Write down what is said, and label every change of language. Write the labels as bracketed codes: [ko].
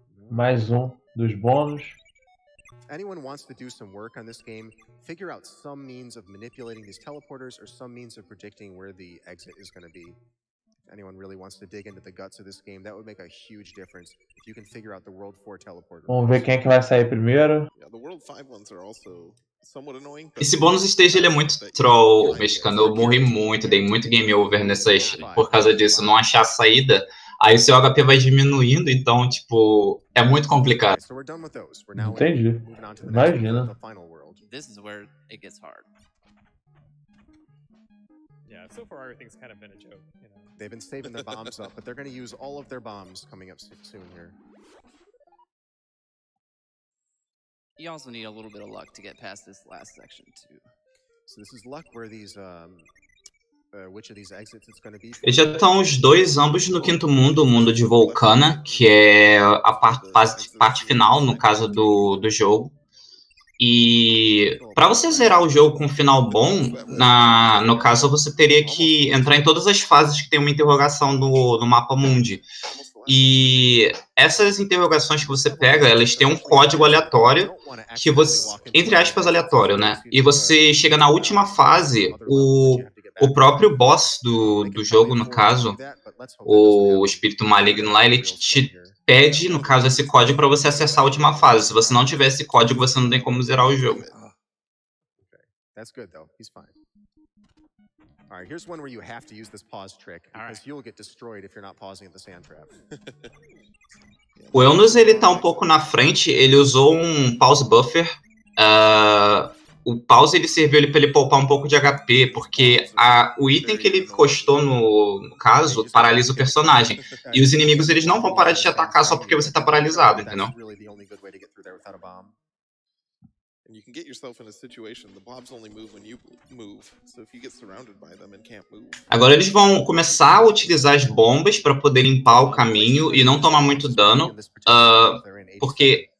[pt] Mais um dos bônus. [en] Anyone wants to do some work on this game, figure out some means of manipulating these teleporters or some means of predicting where the exit is going to be. Anyone really wants to dig into the guts of this game, that would make a huge difference if you can figure out the World 4 teleporter. [pt] Vamos ver quem é que vai sair primeiro. [en] Yeah, the World 5 ones are also somewhat annoying. [pt] Esse bônus stage, ele é muito troll, mexicano. Eu morri muito, dei muito game over nessas por causa disso, não achar a saída. Aí seu HP vai diminuindo, então, tipo, é muito complicado. Entendi. Imagina. [en] This is where it gets hard. Yeah, so far everything's kind of been a joke, you know. They've been saving their bombs up, but they're going to use all of their bombs coming up soon here. You also need a little bit of luck to get past this last section too. So this is luck where these which of these exits it's going to be. [pt] Eles já estão os dois ambos no quinto mundo, o mundo de Volcana, que é a parte final no caso do jogo. E para você zerar o jogo com um final bom, no caso você teria que entrar em todas as fases que tem uma interrogação no mapa mundi. E essas interrogações que você pega, elas têm um código aleatório, que você, entre aspas, aleatório, né? E você chega na última fase, o próprio boss do jogo, no caso, o espírito maligno lá, ele te pede, no caso, esse código para você acessar a última fase. Se você não tiver esse código, você não tem como zerar o jogo. [en] That's good though. He's fine. All right, here's one where you have to use this pause trick because you'll get destroyed if you're not pausing at the sand trap. [pt] O Elnus, ele tá um pouco na frente, ele usou um pause buffer. O pause, ele serviu para ele poupar um pouco de HP, porque o item que ele encostou, no caso, paralisa o personagem. E os inimigos, eles não vão parar de te atacar só porque você tá paralisado, entendeu? [en] And you can get yourself in a situation the blobs only move when you move. So if you get surrounded by them and can't move. [pt] Agora eles vão começar a utilizar as bombas para poder limpar o caminho e não tomar muito dano, porque